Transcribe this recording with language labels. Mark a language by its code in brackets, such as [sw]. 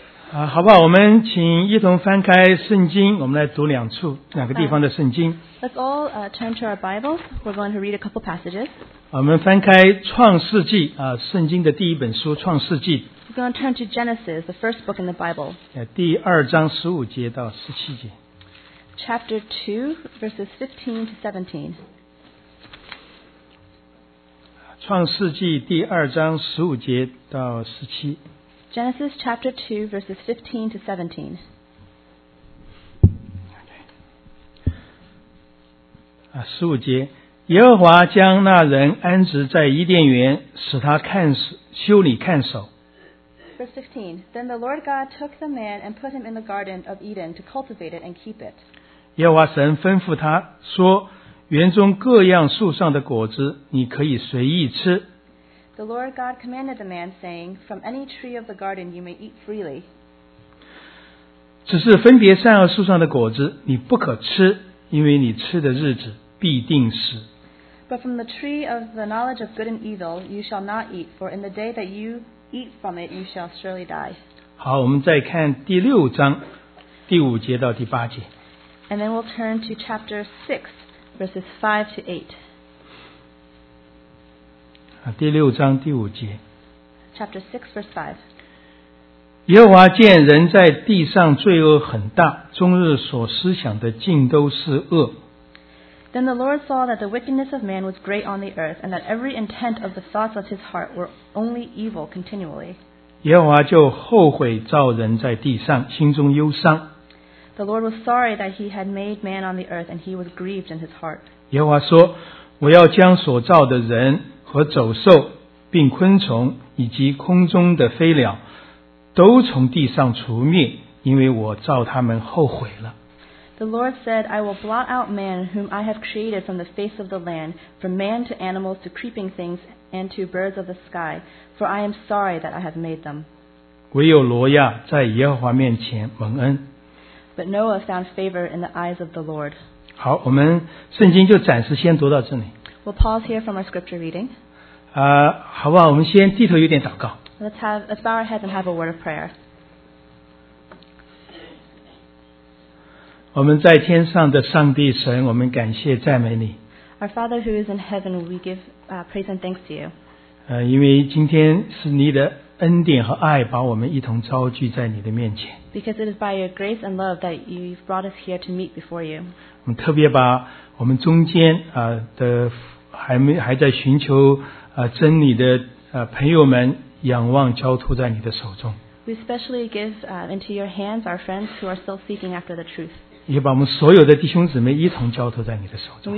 [zh] 好不好？我们请一同翻开圣经，我们来读两个地方的圣经。 [en] Let's all turn to our Bibles. We're going to read a couple passages. [zh] 我们翻开创世纪圣经的第一本书创世纪。 [en] We're going to turn to Genesis, the first book in the Bible. [zh] 第二章十五节到十七节。 [en] Chapter 2, verses 15 to 17. [zh] 创世纪第二章十五节到十七。 [en] Genesis chapter 2 verses 15 to 17. [zh] 十五节，耶和华将那人安置在伊甸园，使他看修理看守。 [en] Verse 15. Then the Lord God took the man and put him in the garden of Eden to cultivate it and keep it. [zh] 耶和华神吩咐他说。园中各样树上的果子你可以随意吃。 [en] The Lord God commanded the man, saying, From any tree of the garden you may eat freely. [zh] 只是分别善恶树上的果子你不可吃，因为你吃的日子必定死。 [en] But from the tree of the knowledge of good and evil you shall not eat, for in the day that you eat from it you shall surely die. [zh] 好，我们再看第六章第五节到第八节。 [en] And then we'll turn to chapter 6. Verses 5 to 8. [zh] 第六章第五节。 [en] Chapter 6, verse 5. [zh] 耶和华见人在地上罪恶很大，终日所思想的尽都是恶。 [en] Then the Lord saw that the wickedness of man was great on the earth, and that every intent of the thoughts of his heart were only evil continually. [zh] 耶和华就后悔造人在地上，心中忧伤。 [en] The Lord was sorry that he had made man on the earth, and he was grieved in his heart. [zh] 耶和华说，我要将所造的人和走兽，并昆虫，以及空中的飞鸟，都从地上除灭，因为我造他们后悔了。 [en] The Lord said, I will blot out man whom I have created from the face of the land, from man to animals to creeping things and to birds of the sky, for I am sorry that I have made them. [zh] 唯有挪亚在耶和华面前蒙恩。 [en] But Noah found favor in the eyes of the Lord. [zh] 好，我们圣经就暂时先读到这里。 [en] We'll pause here from our scripture reading. [zh] 好吧，我们先低头有点祷告。 [en] Let's bow our heads and have a word of prayer. [zh] 我们在天上的上帝神，我们感谢赞美你。 [en] Our Father who is in heaven, we give praise and thanks to you. [zh] 因为今天是你的恩典和爱把我们一同召聚在你的面前。 [en] Because it is by your grace and love that you've brought us here to meet before you. [zh] 我们特别把我们中间的还在寻求真理的朋友们仰望交托在你的手中。 [en] We especially give into your hands our friends who are still seeking after the truth. [zh] 也把我们所有的弟兄姊妹一同交托在你的手中。